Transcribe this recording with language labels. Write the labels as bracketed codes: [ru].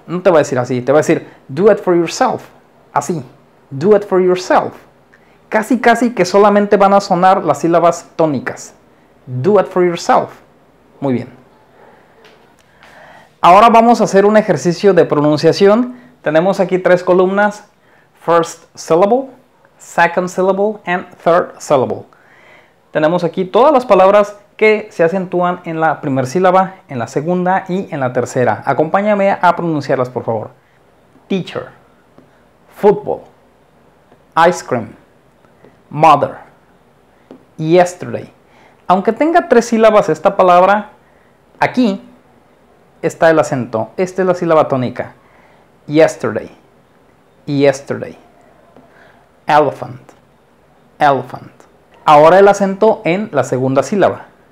[es] No te va a decir así, te va a decir, [en] do it for yourself. [es] Así, do it for yourself. Casi, casi que solamente van a sonar las sílabas tónicas. [en] Do it for yourself. [es] Muy bien. Ahora vamos a hacer un ejercicio de pronunciación. Tenemos aquí tres columnas. [en] First syllable, second syllable, and third syllable. [es] Tenemos aquí todas las palabras que se acentúan en la primera sílaba, en la segunda y en la tercera. Acompáñame a pronunciarlas, por favor. [en] Teacher, football, ice cream, mother, yesterday. [es] Aunque tenga tres sílabas esta palabra, aquí está el acento. Esta es la sílaba tónica. Yesterday, yesterday. Elephant, elephant. Ahora el acento en la segunda sílaba.